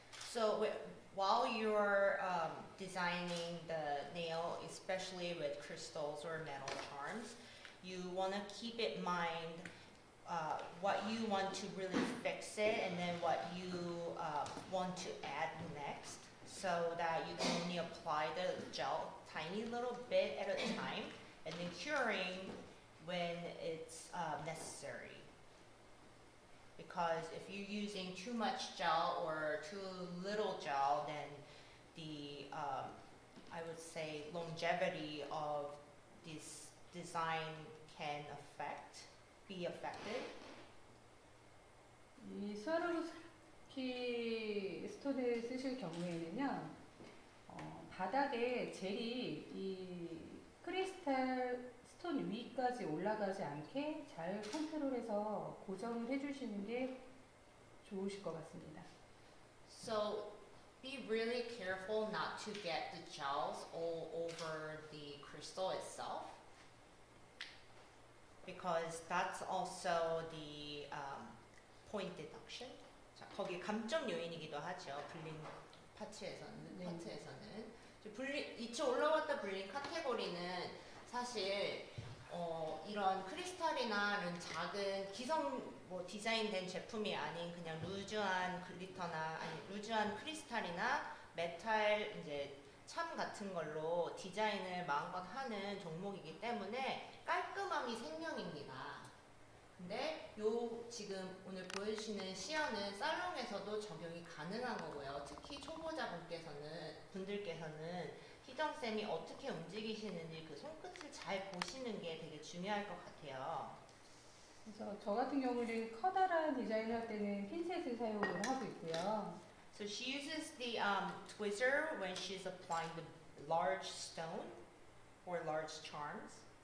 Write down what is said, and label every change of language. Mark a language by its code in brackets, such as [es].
[en] So while you're designing the nail, especially with crystals or metal charms, you want to keep in mind what you want to really fix it and then what you want to add next so that you can only apply the gel tiny little bit at a time and then curing when it's necessary. Because if you're using too much gel or too little gel, then the, I would say, longevity of this design can affect, be affected. [ko] 이 스와로스키 스톤을 쓰실 경우에는요, 바닥에 젤이 이 크리스탈 스톤 위까지 올라가지 않게 잘 컨트롤해서 고정을 해주시는 게 좋으실 것 같습니다. [en] So be really careful not to get the gels all over the crystal itself because that's also the point deduction. [ko] 자, 거기 감점 요인이기도 하죠. 블링 파츠에서는 네. 파츠에서는 블링 이쪽 올라왔다 블링 카테고리는 사실 이런 크리스탈이나 이런 작은 기성 뭐 디자인된 제품이 아닌 그냥 루즈한 글리터나 아니 루즈한 크리스탈이나 메탈 이제 참 같은 걸로 디자인을 마음껏 하는 종목이기 때문에 깔끔함이 생명입니다. 근데 요 지금 오늘 보여주시는 시연은 살롱에서도 적용이 가능한 거고요. 특히 초보자분께서는 분들께서는 희정쌤이 어떻게 움직이시는지 그 손끝을 잘 보시는 게 되게 중요할 것 같아요. 그래서 저 같은 경우는 커다란 디자인 할 때는 핀셋을 사용을 하고 있고요. [en] So she uses the tweezer when she's applying the large stone or large charms.